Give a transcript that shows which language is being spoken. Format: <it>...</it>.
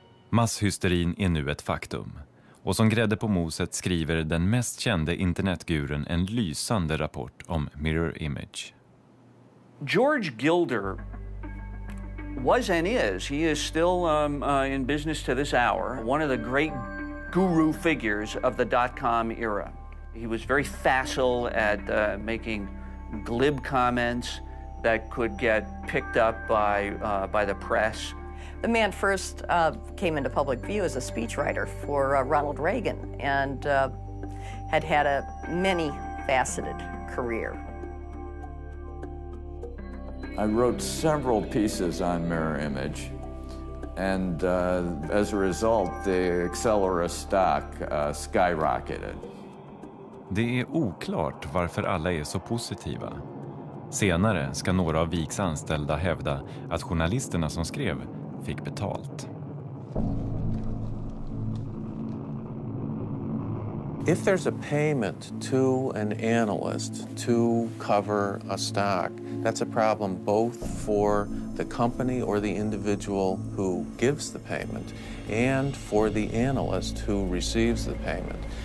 <sv>Masshysterin är nu ett faktum. Och som grädde på moset skriver den mest kände internetguren en lysande rapport om Mirror Image.</sv> <en>George Gilder was and is. He is still in business to this hour. One of the great guru figures of the dot-com era. He was very facile at making glib comments that could get picked up by the press. The man first came into public view as a speechwriter for Ronald Reagan and had a many-faceted career. I wrote several pieces on Mirror Image, and as a result, the Accelera stock skyrocketed.</en> <sv>Det är oklart varför alla är så positiva. Senare ska några av Wiks anställda hävda att journalisterna som skrev fick betalt.</sv> <en>If there's a payment to an analyst to cover a stock, that's a problem both for the company or the individual who gives the payment and for the analyst who receives the payment.</en>